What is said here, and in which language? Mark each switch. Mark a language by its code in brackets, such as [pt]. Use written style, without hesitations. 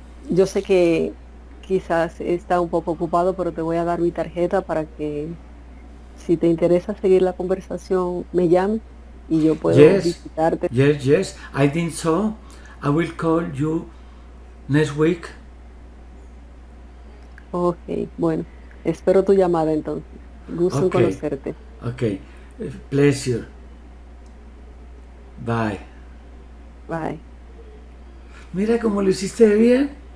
[es] Yo sé que quizás está un poco ocupado, pero te voy a dar mi tarjeta para que si te interesa seguir la conversación, me llames y yo puedo [en] Yes, [es] visitarte. [en] yes, yes. I think so. I will call you next week. [es] Ok, bueno, espero tu llamada entonces. Gusto en conocerte. [en] okay. Pleasure. Bye. Bye. [es] Mira cómo lo hiciste bien.